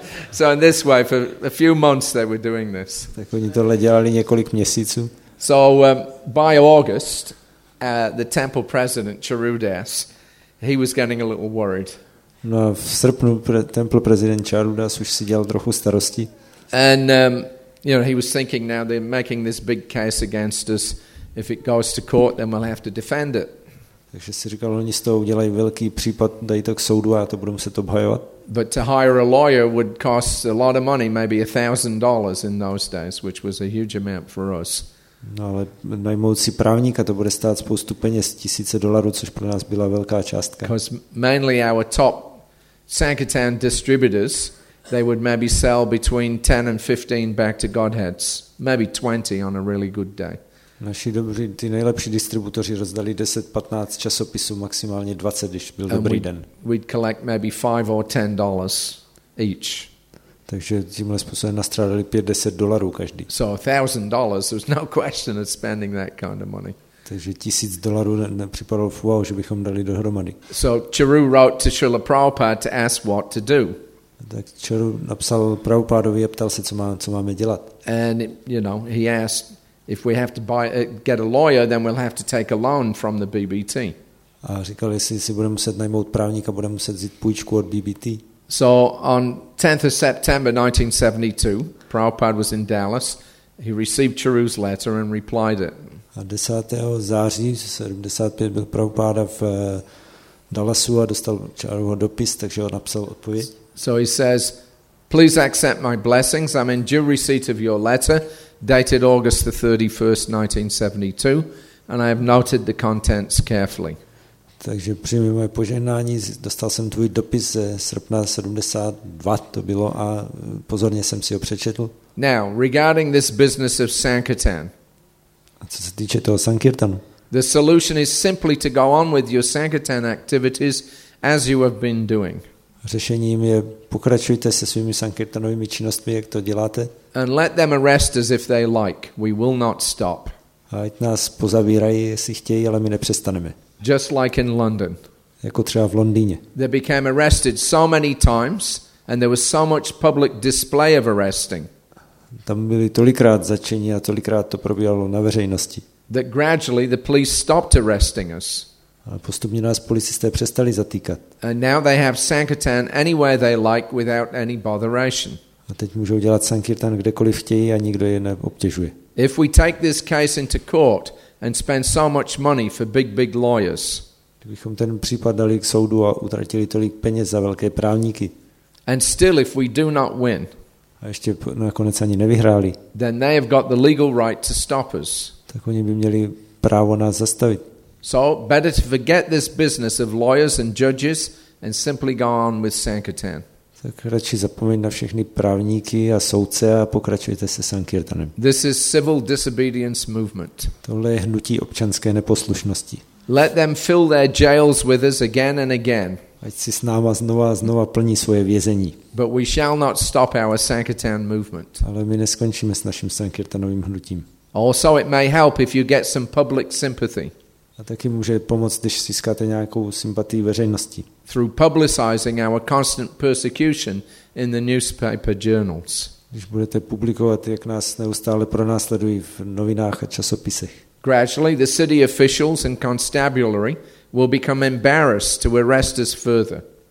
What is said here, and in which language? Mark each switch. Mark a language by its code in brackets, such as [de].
[en] So in this way, for a few months they were doing this. [cs] Tak oni tohle dělali několik měsíců. [en] So by August, the temple president Charudas, he was getting a little worried. [cs] No, v srpnu [en] temple president [cs] Charudas už si dělal trochu starosti. [en] And he was thinking, now they're making this big case against us. If it goes to court, then we'll have to defend it. [cs] Takže si říkal, oni z toho udělají velký případ, dají to k soudu a to budeme muset obhajovat. [en] But to hire a lawyer would cost a lot of money, maybe $1,000 in those days, which was a huge amount for us. [cs] No ale najmout si právníka, to bude stát spoustu peněz, $1,000, což pro nás byla velká částka. [en] Because mainly our top Sankirtan distributors, they would maybe sell between 10 and 15 back to Godheads, maybe 20 on a really good day. [cs] Naši dobří, ty nejlepší distributoři rozdali 10-15 časopisů, maximálně 20, když byl dobrý den. [en] We'd collect maybe $5 or $10 each. [cs] Takže tímhle způsobem nastrádali $5-10 každý. [en] So $1,000, there was no question of spending that kind of money. [cs] Takže $1,000 nepřipadalo v úvahu, že bychom dali dohromady. [en] So Charu wrote to Srila Prabhupada to ask what to do. [cs] Tak Charu napsal Prabhupádovi a ptal se, co máme dělat. [en] And he asked, If we have to get a lawyer, then we'll have to take a loan from the BBT. [cs] A říkal, jestli si budeme muset najmout právníka, budeme muset vzít půjčku od BBT. [en] So on 10th of September 1972, Prabhupada was in Dallas. He received Charu's letter and replied it. [cs] A 10. září 75 byl Prabhupada v Dallasu a dostal Charuho dopis, takže ho napsal odpověď. [en] So he says, please accept my blessings. I'm in due receipt of your letter, dated August the 31st, 1972, and I have noted the contents carefully. [cs] Takže přijmi moje požehnání, dostal jsem tvůj dopis ze srpna 72, to bylo, a pozorně jsem si ho přečetl. [en] Now, regarding this business of Sankirtan. [cs] A co se týče toho Sankirtanu? [en] The solution is simply to go on with your Sankirtan activities as you have been doing. [cs] Řešením je pokračujte se svými sankirtanovými činnostmi, jak to děláte. [en] And let them arrest us if they like. We will not stop. [cs] Ať nás pozavírají, jestli chtějí, ale my nepřestaneme. [en] Just like in London. [cs] Jako třeba v Londýně. [en] They became arrested so many times and there was so much public display of arresting. [cs] Tam byli tolikrát zatčeni a tolikrát to probíhalo na veřejnosti. [en] That gradually the police stopped arresting us. [cs] Ale postupně nás policisté přestali zatýkat. [en] And now they have Sankirtan anywhere they like without any botheration. [cs] A teď můžou dělat Sankirtan kdekoliv chtějí a nikdo je neobtěžuje. [en] If we take this case into court and spend so much money for big lawyers. [cs] Kdybychom ten případ dali k soudu a utratili tolik peněz za velké právníky. [en] And still if we do not win. [cs] A ještě nakonec ani nevyhráli. [en] Then they have got the legal right to stop us. [cs] Tak oni by měli právo nás zastavit. [en] So better to forget this business of lawyers and judges and simply go on with Sankirtan. [cs] Tak radši zapomeň na všechny právníky a soudce a pokračujte se Sankirtanem. [en] This is civil disobedience movement. [cs] Tohle je hnutí občanské neposlušnosti. [en] Let them fill their jails with us again and again. [cs] Ať si s náma znova a znova plní svoje vězení. [en] But we shall not stop our Sankirtan movement. [cs] Ale my neskončíme s naším Sankirtanovým hnutím. [en] Also it may help if you get some public sympathy. [cs] A taky může pomoct, když získáte nějakou sympatii veřejnosti. [en] Through publicizing our constant persecution in the newspaper journals. [cs] Když budete publikovat, jak nás neustále pronásledují v novinách a časopisech. [en] Gradually the city officials and constabulary will become embarrassed to arrest us further.